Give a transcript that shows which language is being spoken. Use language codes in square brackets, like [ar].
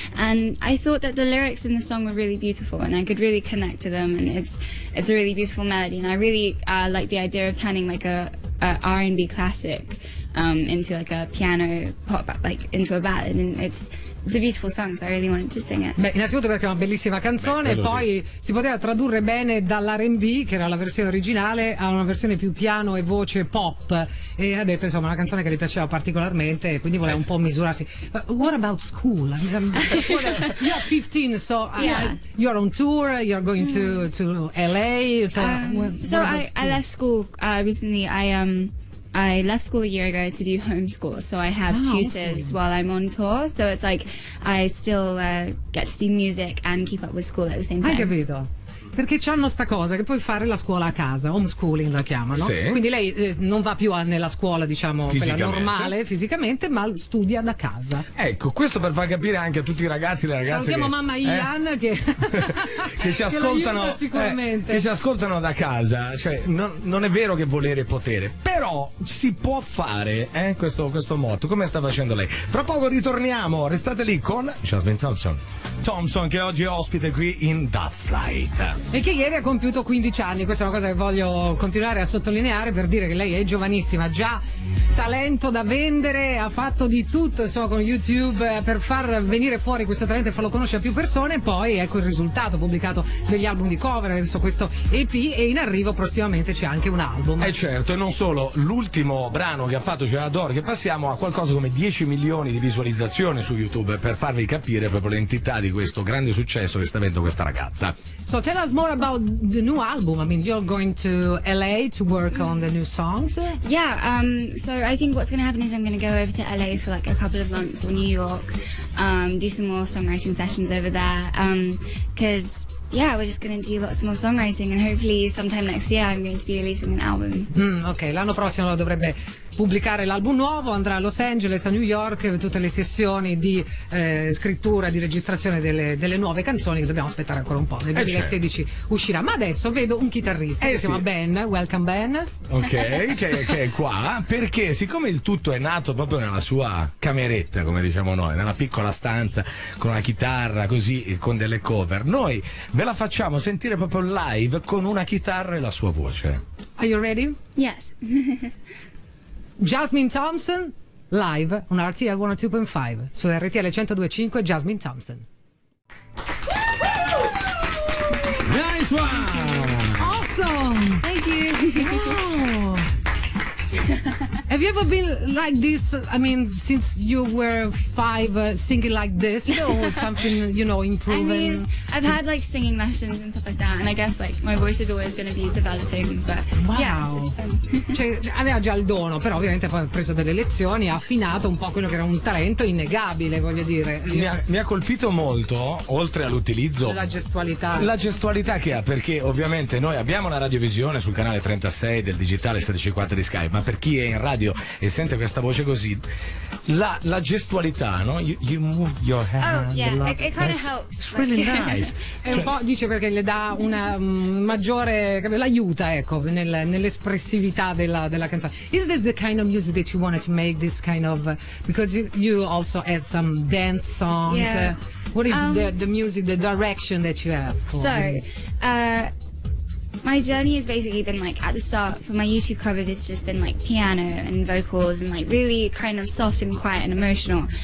[en] And I thought that the lyrics in the song were really beautiful and I could really connect to them. And it's a really beautiful melody. And I really like the idea of turning like a R&B classic into like a piano pop, like into a ballad. And it's a beautiful song, so I really wanted to sing it. [it] Beh, innanzitutto perché è una bellissima canzone, si poteva tradurre bene dall'R&B, che era la versione originale, a una versione più piano e voce pop, e ha detto insomma una canzone che le piaceva particolarmente, quindi voleva un po' misurarsi. [en] But what about school? You're 15, so you're on tour, you're going to LA. I left school recently. I left school a year ago to do homeschool, so I have tutors while I'm on tour, so it's like I still get to do music and keep up with school at the same time. [it] Hai capito? Perché c'hanno sta cosa che puoi fare la scuola a casa, homeschooling la chiamano. Sì. Quindi lei non va più nella scuola, diciamo, quella normale fisicamente, ma studia da casa. Ecco, questo per far capire anche a tutti i ragazzi e le ragazze. Salutiamo mamma Ian che ci ascoltano sicuramente. Che ci ascoltano da casa. Cioè, non è vero che volere è potere, però però si può fare questo motto, come sta facendo lei. Fra poco ritorniamo, restate lì con Jasmine Thompson che oggi è ospite qui in That Flight e che ieri ha compiuto 15 anni. Questa è una cosa che voglio continuare a sottolineare per dire che lei è giovanissima, già talento da vendere, ha fatto di tutto insomma con YouTube per far venire fuori questo talento e farlo conoscere a più persone, e poi ecco il risultato, pubblicato degli album di cover, adesso questo EP, e in arrivo prossimamente c'è anche un album. E certo, e non solo, l'ultimo brano che ha fatto, cioè Adoro, che passiamo, a qualcosa come 10 milioni di visualizzazioni su YouTube, per farvi capire proprio l'entità di questo grande successo che sta avendo questa ragazza. [en] So tell us more about the new album. I mean, you're going to LA to work on the new songs. Yeah, so I think what's going to happen is I'm going to go over to LA for like a couple of months, or New York, do some more songwriting sessions over there, because yeah, we're just going to do lots more songwriting, and hopefully sometime next year I'm going to be releasing an album. [it] Ok, l'anno prossimo dovrebbe pubblicare l'album nuovo, andrà a Los Angeles, a New York, tutte le sessioni di scrittura, di registrazione delle nuove canzoni, che dobbiamo aspettare ancora un po', nel 2016 uscirà. Ma adesso vedo un chitarrista che si chiama Ben, [en] welcome Ben. [it] Ok, che è qua, perché siccome il tutto è nato proprio nella sua cameretta, come diciamo noi, nella piccola stanza con una chitarra così, con delle cover, noi ve la facciamo sentire proprio live con una chitarra e la sua voce. [en] Are you ready? Yes. Jasmine Thompson, live on RTL 102.5, [it] su [en] RTL 102.5, Jasmine Thompson. Nice one! Awesome! Thank you! Wow. Have you ever been like this, I mean, since you were five, singing like this, or something, you know, improving? I mean, I've had like singing lessons and stuff like that, and I guess like my voice is always going to be developing, but wow. Yeah, it's fun. [it] Cioè, aveva già il dono, però ovviamente poi ha preso delle lezioni, ha affinato un po' quello che era un talento innegabile, voglio dire. Mi ha colpito molto, oltre all'utilizzo, La gestualità che ha, perché ovviamente noi abbiamo la radiovisione sul canale 36 del digitale 16.4 di Skype, ma per chi è in radio e sente questa voce così, la gestualità, no? [en] You move your hand. Oh yeah, it kind of helps. It's really nice. [it] È un po', dice, perché le dà una maggiore, l'aiuta, ecco, nell'espressività della canzone. [en] Is this the kind of music that you wanted to make, this kind of, because you also had some dance songs. Yeah. What is the music, the direction that you have for? So my journey has basically been like, at the start for my YouTube covers, it's just been like piano and vocals and like really kind of soft and quiet and emotional.